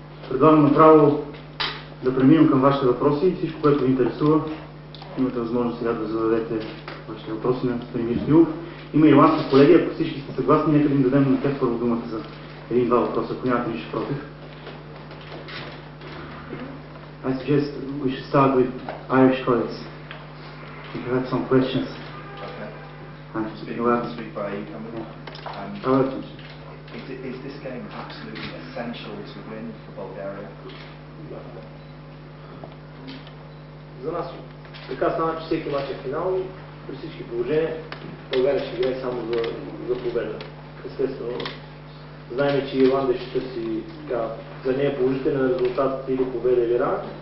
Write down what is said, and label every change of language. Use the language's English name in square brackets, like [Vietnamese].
[Bulgarian] Предлагам направо да преминем към вашите въпроси и всичко, което ви интересува, имате възможност сега да зададете вашите въпроси на Нью Стюарт. Има ирландски колеги, ако всички сте съгласни, нека да им дадем на тях първо думата за един-два въпроса, ако нямате нищо против. [English] I suggest we should start with Irish colleagues. We have had some questions. Okay. Speak by you, coming up. Is this game absolutely essential to win for Bulgaria? [Bulgarian] За нас така стана, че всеки матч е финал и при всички положения България ще играе само за победа. Естествено, знаем, че Ирландия ще си така, за нея положителен резултат или победа или рано.